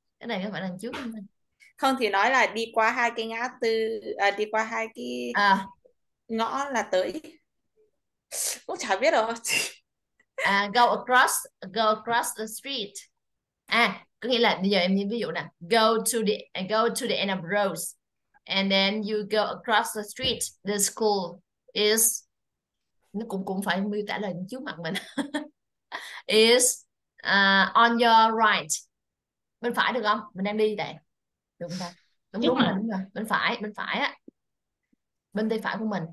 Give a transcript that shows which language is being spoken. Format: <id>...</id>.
<vi>Cái này có phải là đằng trước không ta? Không thì nói là đi qua hai cái ngã tư à, đi qua hai cái à. Ngõ là tới. Cũng chả biết rồi.</vi> <en>Go across the street.</en> <vi>À, có nghĩa là bây giờ em nhìn ví dụ nè.</vi> <en>Go to the end of roads, and then you go across the street. The school is,</en> <vi>nó cũng cũng phải miêu tả là trước mặt mình.</vi> <en>Is on your right.</en> <vi>Bên phải được không? Mình đang đi đây. Đúng không? Đúng rồi, đúng rồi. Bên phải á. Bên tay phải của mình.</vi>